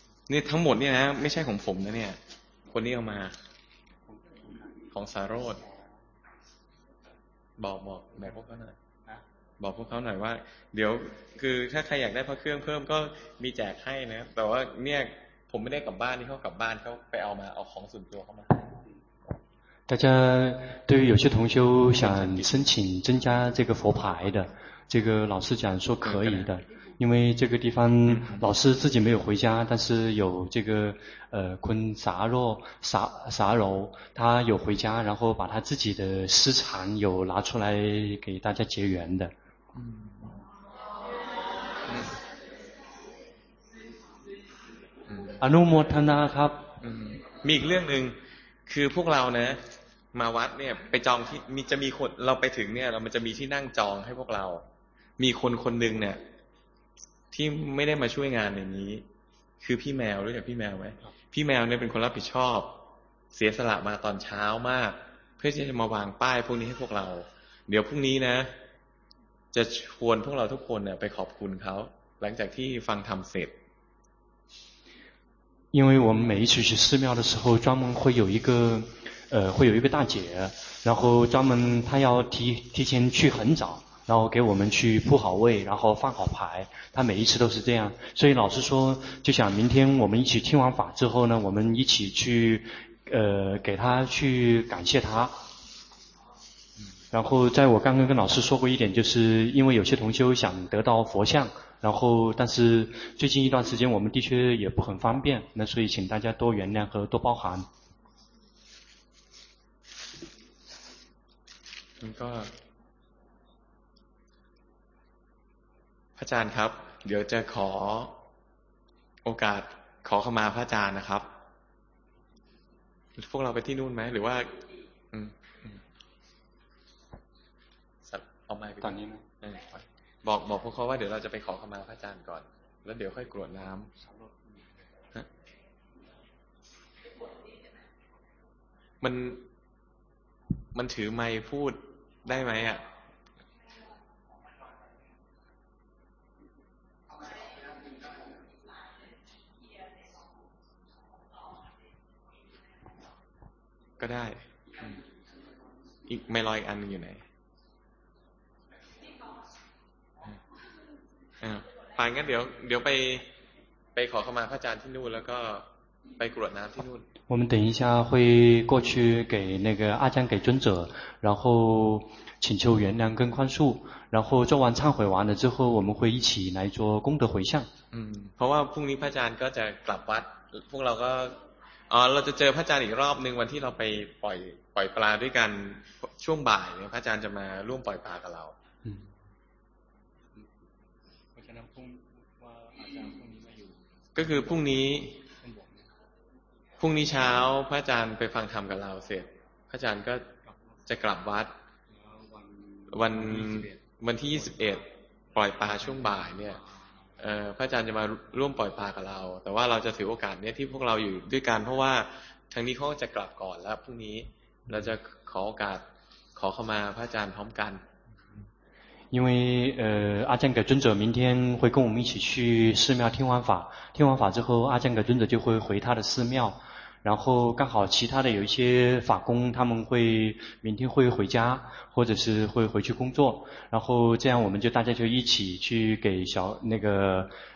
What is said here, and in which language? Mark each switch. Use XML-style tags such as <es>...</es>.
<th>นี่ทั้งหมดเนี่ยนะไม่ใช่ของผมนะเนี่ยคนนี้เอามาของสาโรจน์บอกแบบพวกเขาหน่อยบอกพวกเขาหน่อยว่าเดี๋ยวคือถ้าใครอยากได้พระเครื่องเพิ่มก็มีแจกให้นะแต่ว่าเนี่ยผมไม่ได้กลับบ้านที่เขากลับบ้านเขาไปเอามาเอาของส่วนตัวเขามา</th> <zh>大家对于有些同修想申请增加这个佛牌的，这个老师讲说可以的，因为这个地方老师自己没有回家，但是有这个昆萨若萨柔他有回家，然后把他自己的私藏有拿出来给大家结缘的。</zh> <th>嗯。อนุโมทนาครับ。 มีอีกเรื่องนึงคือพวกเรานะมาวัดเนี่ยไปจองที่มีจะมีคนเราไปถึงเนี่ยเรามันจะมีที่นั่งจองให้พวกเรามีคนคนหนึ่งเนี่ยที่ไม่ได้มาช่วยงานในนี้คือพี่แมวรู้จักพี่แมวไหมพี่แมวเนี่ยเป็นคนรับผิดชอบเสียสละมาตอนเช้ามากเพื่อที่จะมาวางป้ายพวกนี้ให้พวกเราเดี๋ยวพรุ่งนี้นะจะชวนพวกเราทุกคนเนี่ยไปขอบคุณเขาหลังจากที่ฟังธรรมเสร็จ</th> <zh>因为我们每一次去寺庙的时候专门会有一个会有一个大姐，然后专门她要提前去很早，然后给我们去铺好位，然后放好牌。她每一次都是这样，所以老师说，就想明天我们一起听完法之后呢，我们一起去给她去感谢她。然后在我刚刚跟老师说过一点，就是因为有些同修想得到佛像，然后但是最近一段时间我们的确也不很方便，那所以请大家多原谅和多包涵。</zh> <th>มันก็พระอาจารย์ครับเดี๋ยวจะขอโอกาสขอเข้ามาพระอาจารย์นะครับพวกเราไปที่นู่นไหมหรือว่าเอาไม้ไป ตอนนี้นะ บอกพวกเขาว่าเดี๋ยวเราจะไปขอเข้ามาพระอาจารย์ก่อนแล้วเดี๋ยวค่อยกรวดน้ำมันถือไม้พูดได้ไหมอ่ะ ก็ได้อีกไม่ลอยอันอยู่ไหนไปงั้นเดี๋ยวไปขอเข้ามาพระอาจารย์ที่นู่นแล้วก็ไปกรวดน้ำที่นู่น</th> <zh>我们等一下会过去给那个阿江给尊者然后请求原谅跟宽恕，然后做完忏悔完了之后，我们会一起来做功德回向。</zh> <th>嗯，เพราะว่าพรุ่งนี้พระอาจารย์ก็จะกลับวัดพวกเราก็เราจะเจอพระอาจารย์อีกรอบนึงวันที่เราไปปล่อยปลาด้วยกันช่วงบ่ายเนี่ยพระอาจารย์จะมาร่วมปล่อยปลากับเรา เพราะฉะนั้นพรุ่งว่าอาจารย์พรุ่งนี้มาอยู่ก็คือพรุ่งนี้เช้าพระอาจารย์ไปฟังธรรมกับเราเสร็จพระอาจารย์ก็จะกลับวัดวันที่21ปล่อยปลาช่วงบ่ายเนี่ยพระอาจารย์จะมาร่วมปล่อยปลากับเราแต่ว่าเราจะถือโอกาสเนี่ยที่พวกเราอยู่ด้วยกันเพราะว่าทางนี้เขาจะกลับก่อนแล้วพรุ่งนี้เราจะขอโอกาสขอเข้ามาพระอาจารย์พร้อมกัน</th> <zh>因为阿江给尊者明天会跟我们一起去寺庙听完法之后阿江给尊者就会回他的寺庙然后刚好其他的有一些法工他们会明天会回家或者是会回去工作然后这样我们就大家就一起去给小那个</zh>